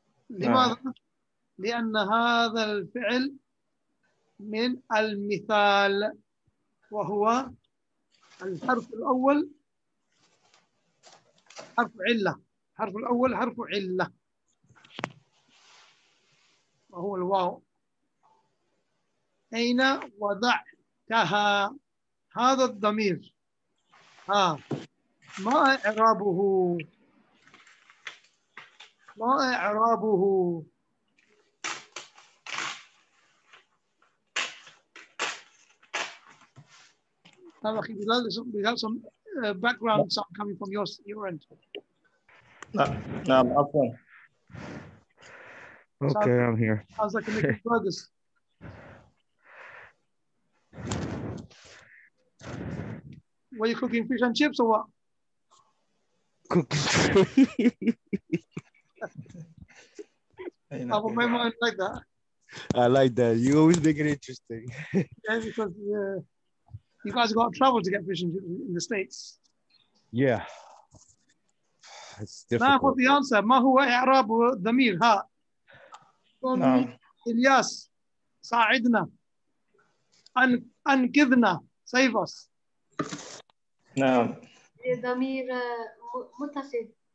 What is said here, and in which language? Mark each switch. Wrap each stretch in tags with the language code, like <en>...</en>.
<ar>لماذا؟ لأن هذا الفعل من المثال، وهو الحرف الأول حرف علة، حرف الأول حرف علة وهو الواو. أين وضعتها؟ هذا الضمير ها ما إعرابه؟</ar> <en>ما إعرابه؟ We have some background sound coming from your end. No, I'm up there. Okay, I'm here. Sounds like a little brothers. Were you cooking fish and chips or what? Cooking. I put my mind like that. I like that. You always make it interesting. Yeah, because you guys have got to travel to get fish in the States. Yeah. It's difficult. Now for the answer.</en> <ar>ما هو إعراب ضمير ها؟ إلياس، ساعدنا. أنقذنا.</ar> <en>Save us.</en> <ar>نعم. ضمير متصل.</ar>